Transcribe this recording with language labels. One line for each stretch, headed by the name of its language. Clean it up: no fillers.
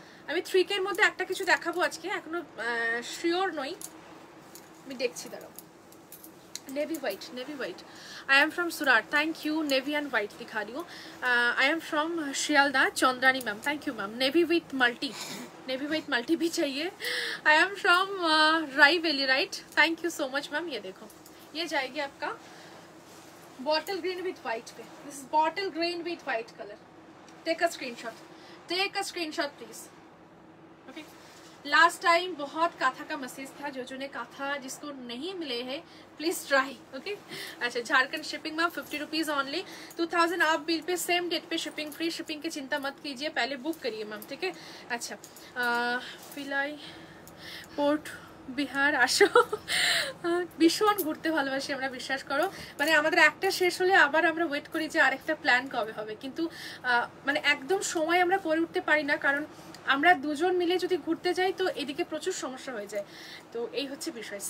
Bangla: আমি থ্রি কের মধ্যে একটা কিছু দেখাবো আজকে, এখনো শিওর নই, আমি দেখছি, দাঁড়ো। Navy white, navy white, I am from Surat, thank you. Navy and white দেখা দিও, I am from Sealdah, Chandrani ma'am, thank you ma'am. Navy with multi,
Hindi: navy with multi V চাইয়ে।
Bangla: I am from রাইভেলি, right, thank you so much ma'am.
Hindi: ইয়ে দেখো, ये जाएगी आपका bottle green with white पे, this is bottle green with white colour, take a screenshot, take a screenshot please, okay. Last time बहुत काथा का message था, जो जो ने काथा जिसको नहीं मिले है प्लीज ट्राई, ओके। अच्छा, झारखंड शिपिंग में 50 रुपीज ऑनली, 2000 आप बिल पे, सेम डेट पे शिपिंग फ्री, शिपिंग की चिंता मत कीजिए, पहले बुक करिए मैम, ठीक है।
Bangla: अच्छा, फिलाई पोर्ट বিহার আসো, ভীষণ ঘুরতে ভালোবাসি আমরা, বিশ্বাস করো, মানে আমাদের একটা শেষ হলে আবার আমরা ওয়েট করি যে আরেকটা প্ল্যান কবে হবে, কিন্তু মানে একদম সময় আমরা করে উঠতে পারি না, কারণ আমরা দুজন মিলে যদি ঘুরতে যাই তো এদিকে প্রচুর সমস্যা হয়ে যায়, তো এই হচ্ছে বিষয়।